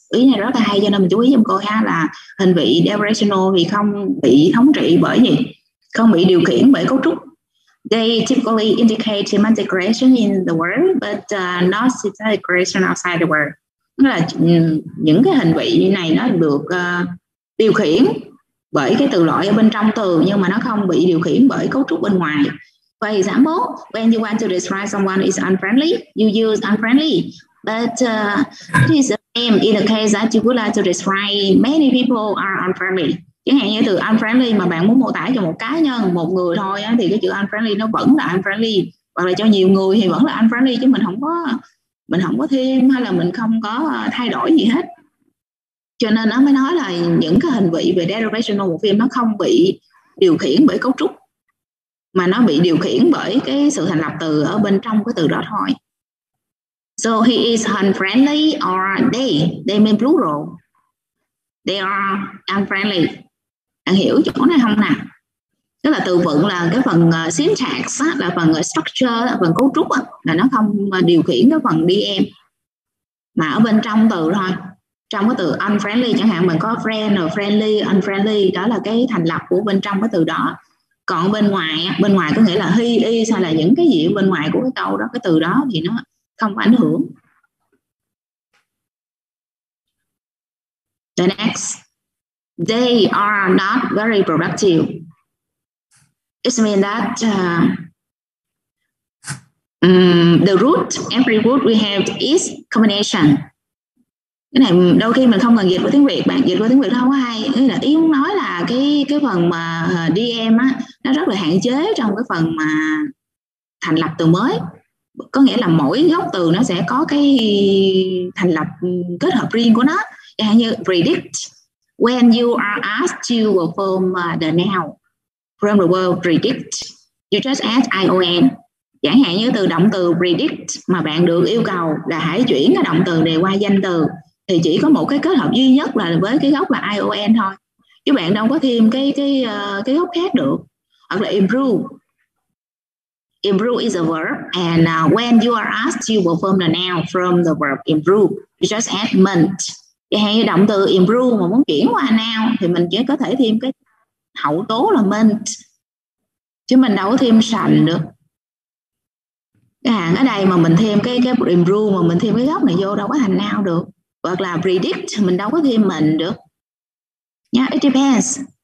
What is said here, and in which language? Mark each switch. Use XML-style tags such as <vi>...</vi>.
<vi>Ý này rất là hay cho nên mình chú ý giùm cô ha, là hình vị derivational thì không bị thống trị bởi gì? Không bị điều khiển bởi cấu trúc.</vi> <en>They typically indicate semantic relation in the word but not syntactic relation outside the word.</en> <vi>Là những cái hình vị như này nó được điều khiển bởi cái từ loại ở bên trong từ nhưng mà nó không bị điều khiển bởi cấu trúc bên ngoài.</vi> <en>For example, when you want to describe someone is unfriendly, you use unfriendly. But it is the same in the case that you would like to describe many people are unfriendly.</en> <vi>Chẳng hạn như từ unfriendly mà bạn muốn mô tả cho một cá nhân, một người thôi á, thì cái chữ unfriendly nó vẫn là unfriendly. Hoặc là cho nhiều người thì vẫn là unfriendly chứ mình không có thêm hay là mình không có thay đổi gì hết. Cho nên nó mới nói là những cái hình vị về derivational một phim nó không bị điều khiển bởi cấu trúc mà nó bị điều khiển bởi cái sự thành lập từ ở bên trong cái từ đó thôi.</vi> <en>So he is unfriendly or they mean plural. They are unfriendly.</en> <vi>Bạn hiểu chỗ này không nè? Tức là từ vựng là cái phần syntax á, là phần structure, là phần cấu trúc á, là nó không điều khiển cái phần DM mà ở bên trong từ thôi. Trong cái từ unfriendly chẳng hạn mình có friend, friendly, unfriendly, đó là cái thành lập của bên trong cái từ đó. Còn bên ngoài có nghĩa là he is hay là những cái gì bên ngoài của cái câu đó, cái từ đó thì nó không ảnh hưởng.</vi> <en>The next. They are not very productive. It means that the root, every root we have is combination.</en> <vi>Cái này đôi khi mình không cần dịch qua tiếng Việt, bạn dịch qua tiếng Việt không có hay. Ý là ý muốn nói là cái phần mà DM á, nó rất là hạn chế trong cái phần mà thành lập từ mới. Có nghĩa là mỗi gốc từ nó sẽ có cái thành lập kết hợp riêng của nó. Chẳng hạn như</vi> <en>predict, when you are asked to form the noun. From the word predict, you just add ion.</en> <vi>Chẳng hạn như từ động từ predict mà bạn được yêu cầu là hãy chuyển cái động từ này qua danh từ thì chỉ có một cái kết hợp duy nhất là với cái gốc là ion thôi. Chứ bạn đâu có thêm cái gốc khác được. Hoặc là improve.</vi> <en>Improve is a verb, and when you are asked, you will form the noun from the verb improve. You just add ment.</en> <vi>Hay động từ improve mà muốn chuyển qua noun thì mình chỉ có thể thêm cái hậu tố là ment. Chứ mình đâu có thêm sành được. Cái hàng ở đây mà mình thêm cái improve mà mình thêm cái gốc này vô đâu có thành noun được. Hoặc là predict mình đâu có thêm ment được.</vi> <en>Yeah, it depends.</en>